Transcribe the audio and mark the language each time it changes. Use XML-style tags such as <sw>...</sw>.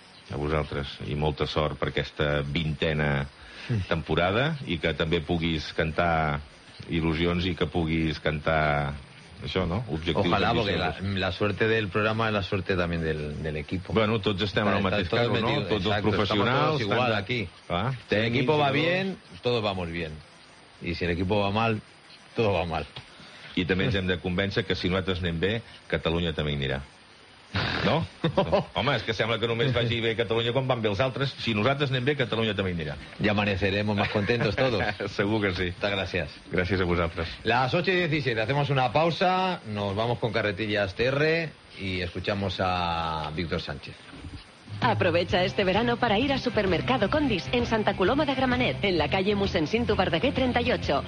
<ca>A vosaltres, i molta sort per aquesta vintena temporada, i que també puguis cantar il·lusions i que puguis cantar això, no? Objectius.</ca> <es>Ojalá, porque la suerte del programa es la suerte también del equipo.</es> <ca>Bueno, tots estem en el mateix carro, no? Tots els professionals.</ca> <es>Estamos todos igual aquí. Si el equipo va bien, todos vamos bien. Y si el equipo va mal, todo va mal.</es> <ca>I també ens hem de convèncer que si nosaltres anem bé, Catalunya també hi anirà. No? Home, és que sembla que només vagi bé Catalunya quan van bé els altres. Si nosaltres anem bé, Catalunya també anirà.</ca> <es>Ya amaneceremos más contentos todos.</es> <ca>Segur que sí.</ca> <es>Muchas gracias. Gracias a vosaltres. Las 8:17, hacemos una pausa, nos vamos con Carretillas TR y escuchamos a Víctor Sánchez. Aprovecha este verano para ir a Supermercado Condis en Santa Coloma de Gramenet, en la calle Musensinto Verdaguer 38.</es>